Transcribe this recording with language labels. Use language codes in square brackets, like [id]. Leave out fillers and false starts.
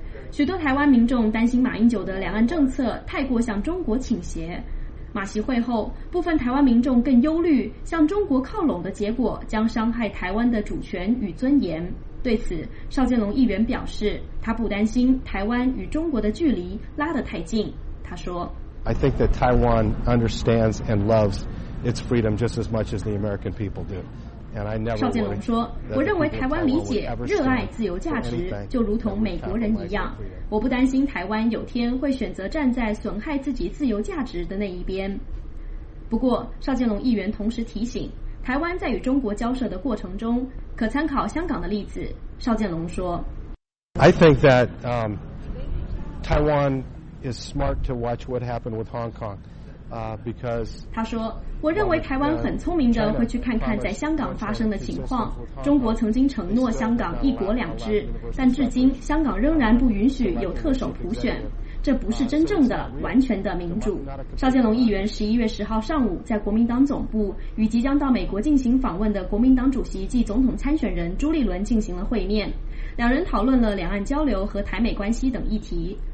[zh] 许多台湾民众担心马英九的两岸政策太过向中国倾斜，马习会后部分台湾民众更忧虑向中国靠拢的结果将伤害台湾的主权与尊严。对此，邵建龙议员表示他不担心台湾与中国的距离拉得太近。他说 [en] I think that Taiwan understands and loves its freedom just as much as the American people do. [zh] 邵建龙说，我认为台湾理解热爱自由价值就如同美国人一样，我不担心台湾有天会选择站在损害自己自由价值的那一边。不过邵建龙议员同时提醒，台湾在与中国交涉的过程中可参考香港的例子。邵建龙说 [en] I think that Taiwan is smart to watch what happened with Hong Kong. [zh] 他说我认为台湾很聪明的会去看看在香港发生的情况，中国曾经承诺香港一国两制，但至今香港仍然不允许有特首普选，这不是真正的完全的民主。邵建龙议员11月10号上午在国民党总部与即将到美国进行访问的国民党主席暨总统参选人朱立伦进行了会面，两人讨论了两岸交流和台美关系等议题。